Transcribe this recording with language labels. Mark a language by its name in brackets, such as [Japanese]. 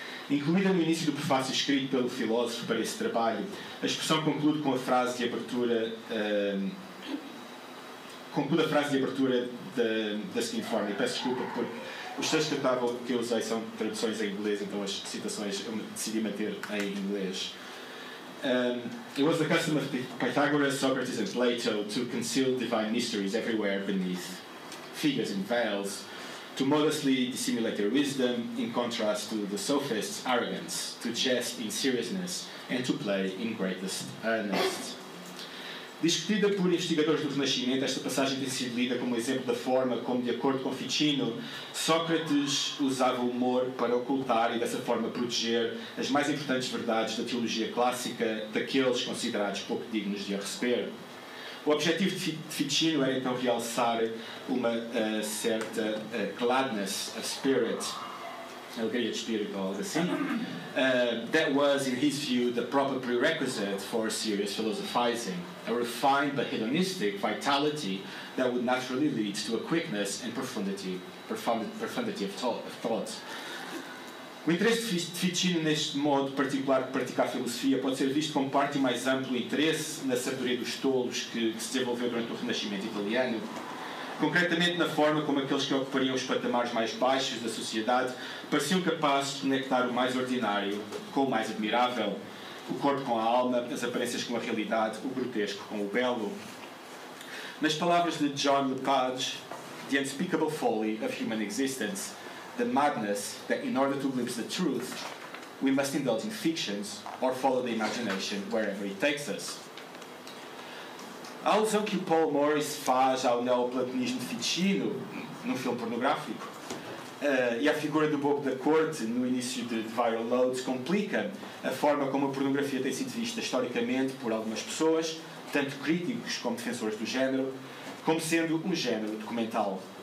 [Portuguese] Incluída no início do prefácio escrito pelo filósofo para esse trabalho, a expressão conclui com a frase de abertura da seguinte forma, e peço desculpa porque os textos que eu usei são traduções em inglês, então as citações eu decidi manter em inglês. [English] It was the custom of Pythagoras, Socrates and Plato to conceal divine mysteries everywhere beneath figures and veils, to modestly dissimulate their wisdom in contrast to the sophist's arrogance, to jest in seriousness and to play in greatest earnest. [Portuguese] Discutida por investigadores do Renascimento, esta passagem tem sido lida como exemplo da forma como, de acordo com Ficino, Sócrates usava o humor para ocultar e, dessa forma, proteger as mais importantes verdades da teologia clássica daqueles considerados pouco dignos de a receber. O objetivo de Ficino era, então, realçar uma certa [English] gladness of spirit, [Portuguese] alegria de espírito ou algo assim, [English] that was, in his view, the proper prerequisite for serious philosophizing. A refined but hedonistic vitality that would naturally lead to a quickness and profundity of thought. [Portuguese] O interesse de Ficino neste modo particular de praticar filosofia pode ser visto como parte mais amplo interesse na sabedoria dos tolos que se desenvolveu durante o Renascimento italiano, concretamente na forma como aqueles que ocupariam os patamares mais baixos da sociedade pareciam capazes de conectar o mais ordinário com o mais admirável. O corpo com a alma, as aparências com a realidade, o grotesco com o belo. Nas palavras de [English] John Lepage, the unspeakable folly of human existence, the madness that in order to glimpse the truth, we must indulge in fictions or follow the imagination wherever it takes us. [Portuguese] A alusão que o Paul Morris faz ao neoplatonismo de Ficino, num filme pornográfico, e a figura do bobo da corte no início de Viral Loads complica a forma como a pornografia tem sido vista historicamente por algumas pessoas, tanto críticos como defensores do género, como sendo um género documental.